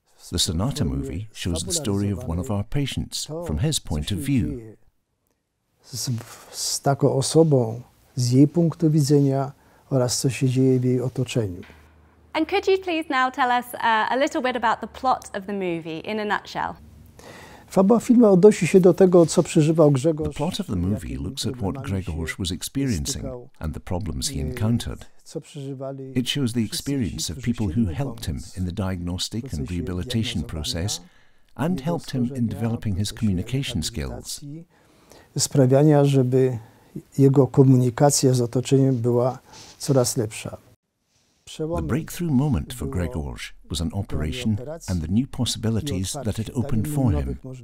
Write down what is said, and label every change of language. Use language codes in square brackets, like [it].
[en] The Sonata movie shows the story of one of our patients from his point of view. [pl] Z taką osobą, z jej punktu widzenia oraz co się dzieje w jej otoczeniu. [en] And could you please now tell us a little bit about the plot of the movie in a nutshell? [pl] Fabuła filmu odnosi się do tego, co przeżywał Grzegorz. [en] The plot of the movie looks at what Grzegorz was experiencing and the problems he encountered. It shows the experience of people who helped him in the diagnostic and rehabilitation process and helped him in developing his communication skills. [pl] Sprawiania, żeby jego komunikacja z otoczeniem była coraz lepsza. [en] The breakthrough moment for Grzegorz was an operation and the new possibilities that it opened for him.